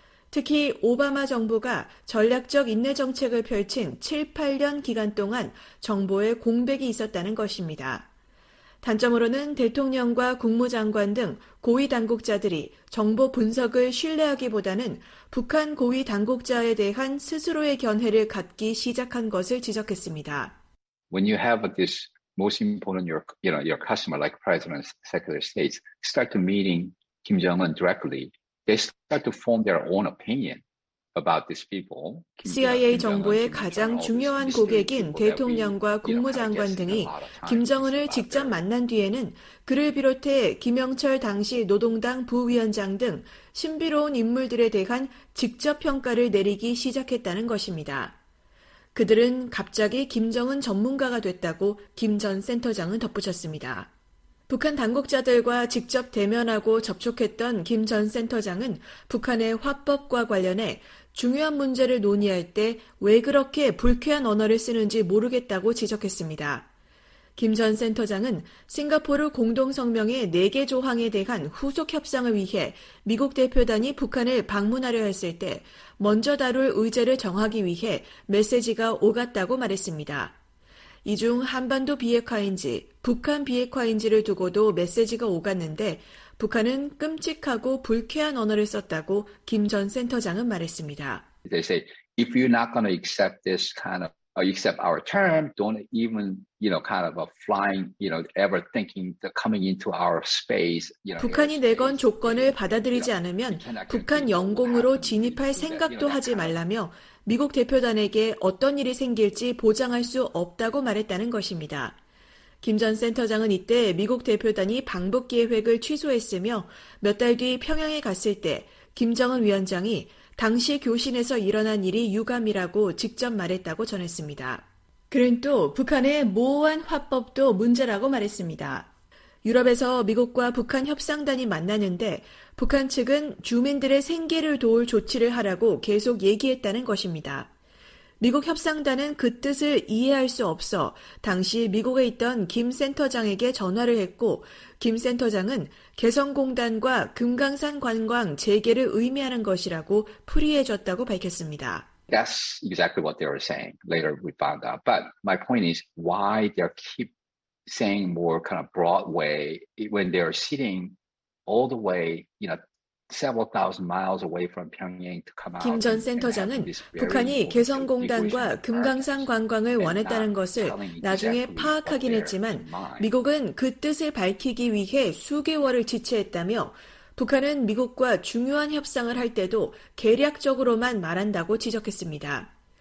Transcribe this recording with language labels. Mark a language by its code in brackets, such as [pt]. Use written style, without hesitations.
[ko] 특히 오바마 정부가 전략적 인내 정책을 펼친 7, 8년 기간 동안 정보에 공백이 있었다는 것입니다. 단점으로는 대통령과 국무장관 등 고위 당국자들이 정보 분석을 신뢰하기보다는 북한 고위 당국자에 대한 스스로의 견해를 갖기 시작한 것을 지적했습니다. [en] When you have this most important your customer like president, secretary of state start to meeting Kim Jong-un directly. They start to form their own opinion about these people. [ko] CIA 정보의 가장 중요한 고객인 대통령과 국무장관 등이 김정은을 직접 만난 뒤에는 그를 비롯해 김영철 당시 노동당 부위원장 등 신비로운 인물들에 대한 직접 평가를 내리기 시작했다는 것입니다. 그들은 갑자기 김정은 전문가가 됐다고 김 전 센터장은 덧붙였습니다. 북한 당국자들과 직접 대면하고 접촉했던 김 전 센터장은 북한의 화법과 관련해 중요한 문제를 논의할 때 왜 그렇게 불쾌한 언어를 쓰는지 모르겠다고 지적했습니다. 김 전 센터장은 싱가포르 공동성명의 4개 조항에 대한 후속 협상을 위해 미국 대표단이 북한을 방문하려 했을 때 먼저 다룰 의제를 정하기 위해 메시지가 오갔다고 말했습니다. 이 중 한반도 비핵화인지 북한 비핵화인지를 두고도 메시지가 오갔는데 북한은 끔찍하고 불쾌한 언어를 썼다고 김 전 센터장은 말했습니다. [en] They say if you're not going to accept this kind of accept our term, don't even, you know, kind of a flying, you know, ever thinking the coming into our space. You know, [ko] 북한이 내건 조건을 받아들이지 않으면 북한 영공으로 진입할 생각도 하지 말라며 미국 대표단에게 어떤 일이 생길지 보장할 수 없다고 말했다는 것입니다. 김 전 센터장은 이때 미국 대표단이 방북 계획을 취소했으며 몇 달 뒤 평양에 갔을 때 김정은 위원장이 당시 교신에서 일어난 일이 유감이라고 직접 말했다고 전했습니다. 그는 또 북한의 모호한 화법도 문제라고 말했습니다. 유럽에서 미국과 북한 협상단이 만나는데 북한 측은 주민들의 생계를 도울 조치를 하라고 계속 얘기했다는 것입니다. 미국 협상단은 그 뜻을 이해할 수 없어 당시 미국에 있던 김 센터장에게 전화를 했고 김 센터장은 개성공단과 금강산 관광 재개를 의미하는 것이라고 풀이해줬다고 밝혔습니다. [en] That's exactly what they were saying. Later we found out. But my point is why they keep saying more kind of broad way when they're sitting all the way, you know, several thousand miles away from Pyongyang to come out. [ko] 김 전 센터장은 북한이 개성공단과 금강산 관광을 원했다는 것을 나중에 파악하긴 했지만 미국은 그 뜻을 밝히기 위해 수개월을 지체했다며 북한은 미국과 중요한 협상을 할 때도 계략적으로만 말한다고 지적했습니다.